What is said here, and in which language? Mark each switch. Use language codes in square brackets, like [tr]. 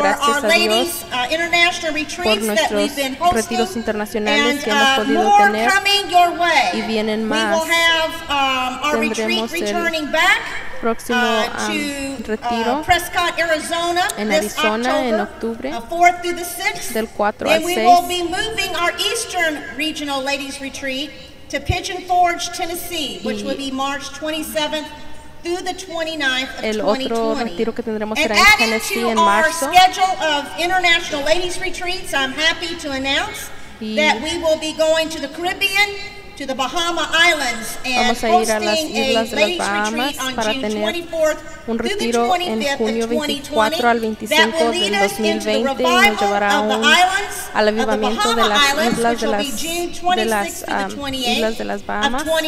[es] Gracias a Dios por nuestros retiros internacionales que hemos podido tener, y vienen más. Tendremos el próximo retiro en Arizona en octubre, del 4 al 6. [en] Then we will be moving our Eastern Regional Ladies Retreat to Pigeon Forge, Tennessee, which will be March 27th through the 29th of 2020. [es] El otro retiro que tendremos será en Tennessee en marzo. [en] Our schedule of international ladies retreats, I'm happy to announce that we will be going to the Caribbean, to the Bahama Islands, and [es] vamos a ir a las Islas de las Bahamas para tener un retiro en junio 24 al 25 del 2020, y nos llevará al avivamiento de las Islas de las Bahamas